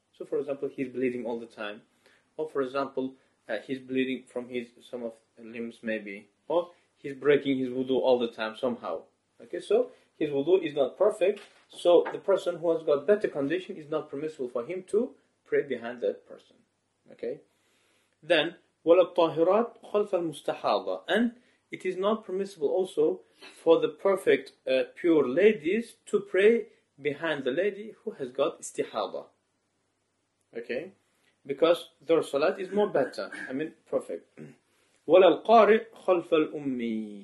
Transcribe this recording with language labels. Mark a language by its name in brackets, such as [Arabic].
[English] So, for example, he's bleeding all the time. Or, for example, he's bleeding from some of the limbs, maybe. Or he's breaking his wudu all the time somehow. Okay, so his wudu is not perfect. So the person who has got better condition is not permissible for him to pray behind that person. Okay? [Arabic] Then, وَلَا الطَّاهِرَاتْ خَلْفَ الْمُسْتَحَاضَةِ. [English] And it is not permissible also for the perfect, pure ladies to pray behind the lady who has got istihada. Okay? Because their salat is more better. I mean, perfect. [Arabic] وَلَا الْقَارِئْ خَلْفَ الْأُمِّ.